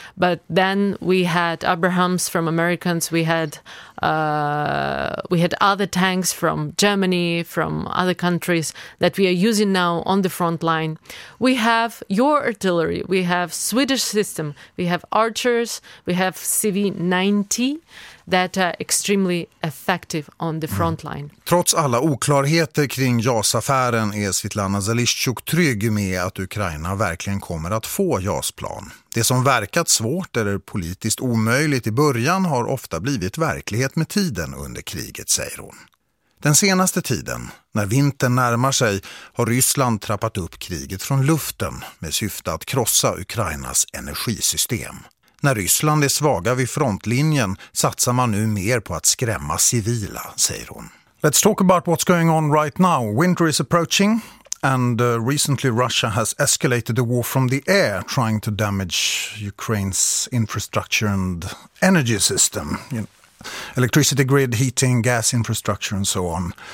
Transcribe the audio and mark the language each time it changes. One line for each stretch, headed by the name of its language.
English: But then we had Abrahams from Americans, we had other tanks from Germany, from other countries that we are using now on the front line. We have your artillery, we have Swedish system, we have archers, we have CV90 that are extremely effective on the front line.
Swedish: Trots alla oklarheter kring JAS-affären är Svetlana Zelischuk trygg med att Ukraina verkligen kommer att få JAS-plan. Det som verkat svårt eller politiskt omöjligt i början har ofta blivit verklighet med tiden under kriget, säger hon. Den senaste tiden, När vintern närmar sig har Ryssland trappat upp kriget från luften med syfte att krossa Ukrainas energisystem. När Ryssland är svaga vid frontlinjen satsar man nu mer på att skrämma civila, säger hon.
English: Let's talk about what's going on right now. Winter is approaching. And recently Russia has escalated the war from the air, trying to damage Ukraine's infrastructure and energy system. You know, electricity grid, heating, gas infrastructure and so on.